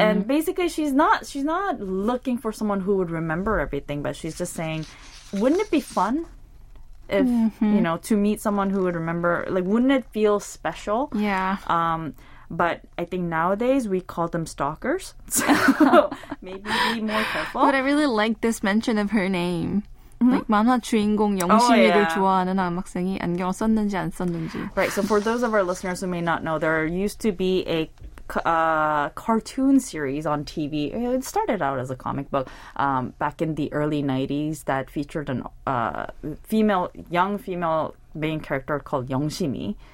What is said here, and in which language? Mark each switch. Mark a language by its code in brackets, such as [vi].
[en] And basically she's not looking for someone who would remember everything, but she's just saying, wouldn't it be fun? If, mm-hmm. you know, to meet someone who would remember, like, wouldn't it feel special? Yeah. But I think nowadays we call them stalkers, so maybe be more careful. But I really like this mention of her name. Mm-hmm. [ko] Like, 만화 주인공 영심이를 좋아하는 암학생이 안경을 썼는지 안 썼는지. [en] Right, so for those of our listeners who may not know, there used to be a cartoon series on TV. It started out as a comic book back in the early 90s that featured a young female main character called 영심이.